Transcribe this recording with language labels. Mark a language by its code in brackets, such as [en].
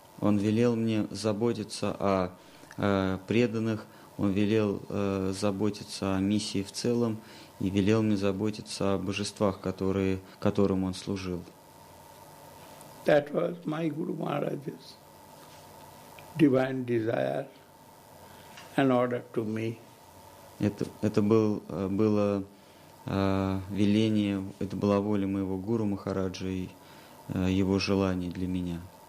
[ru] Он велел мне заботиться о преданных. Он велел заботиться о миссии в целом и велел мне заботиться о божествах, которым он служил. [en] That was my Guru Maharaj's divine desire and order to me. [ru] Это была воля моего Гуру Махараджа и его желание для меня.